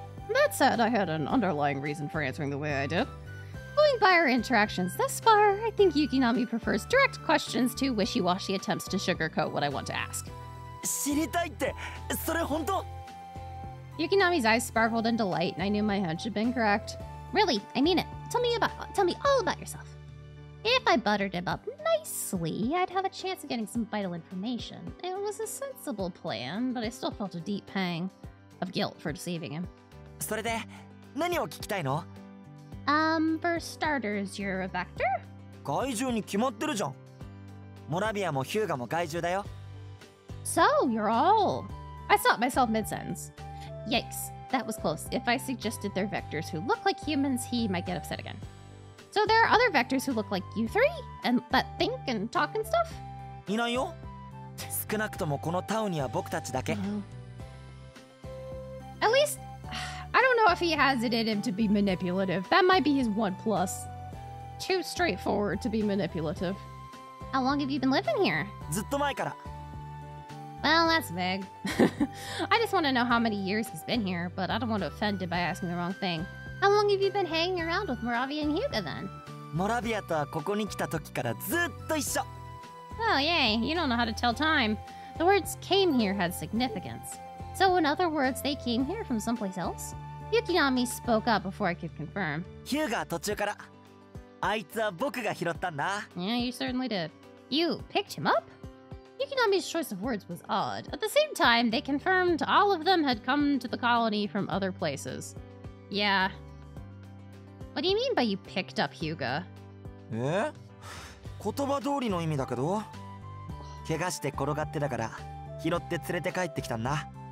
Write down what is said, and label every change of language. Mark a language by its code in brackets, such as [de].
[en] That said, I had an underlying reason for answering the way I did. Going by our interactions thus far, I think Yukinami prefers direct questions to wishy-washy attempts to sugarcoat what I want to ask. [ja] 知りたいって、それ本当? [en] Yukinami's eyes sparkled in delight, and I knew my hunch had been correct. Really, I mean it. Tell me all about yourself. If I buttered him up nicely, I'd have a chance of getting some vital information. It was a sensible plan, but I still felt a deep pang of guilt for deceiving him. [ja] それで、何を聞きたいの? [en] For starters, you're a vector? [ja] 怪獣に決まってるじゃん!モラビアもヒューガも怪獣だよ! [en] So, you're all... I stopped myself mid-sentence. Yikes, that was close. If I suggested they're vectors who look like humans, he might get upset again. So there are other vectors who look like you three? And that think and talk and stuff? [ja] いないよ! 少なくともこのタウンには僕たちだけ! [en] At least... I don't know if he has it in him to be manipulative. That might be his one plus. Too straightforward to be manipulative. How long have you been living here? [ja] ずっと前から. [en] Well, that's vague. I just want to know how many years he's been here, but I don't want to offend him by asking the wrong thing. How long have you been hanging around with Moravia and Hyuga then? [ja] モラビアとはここに来た時からずっと一緒. [en] Oh, yay. You don't know how to tell time. The words came here had significance. So, in other words, they came here from someplace else? Yukinami spoke up before I could confirm. [ja] ヒューガ途中から。あいつは僕が拾ったんだ。 [en] Yeah, you certainly did. You picked him up? Yukinami's choice of words was odd. At the same time, they confirmed all of them had come to the colony from other places. Yeah. What do you mean by you picked up Hyuga? [ja] え? 言葉通りの意味だけど?怪我して転がってたから、拾って連れて帰ってきたんだ。